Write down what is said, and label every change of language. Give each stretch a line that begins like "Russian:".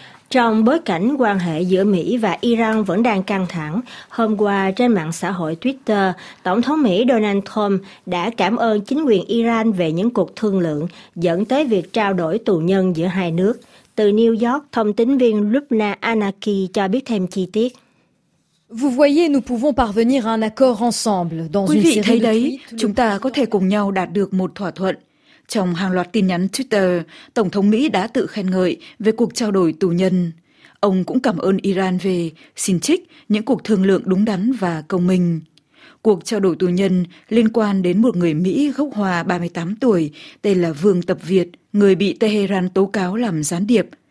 Vietnamese: Trong bối cảnh quan hệ giữa Mỹ và Iran vẫn đang căng thẳng, hôm qua trên mạng xã hội Twitter, Tổng thống Mỹ Donald Trump đã cảm ơn chính quyền Iran về những cuộc thương lượng dẫn tới việc trao đổi tù nhân giữa hai nước. Từ New York, thông tấn viên Lubna Anaki cho biết thêm chi tiết.
French: Vous voyez, nous pouvons parvenir à un accord ensemble dans une série de tweets.
Vietnamese: Quý vị thấy đấy, chúng ta có thể cùng nhau đạt được một thỏa thuận. Trong hàng loạt tin nhắn Twitter, Tổng thống Mỹ đã tự khen ngợi về cuộc trao đổi tù nhân. Ông cũng cảm ơn Iran về, xin trích, những cuộc thương lượng đúng đắn và công minh. Cuộc trao đổi tù nhân liên quan đến một người Mỹ gốc Hoa 38 tuổi, tên là Vương Tập Việt, người bị Tehran tố cáo làm gián điệp.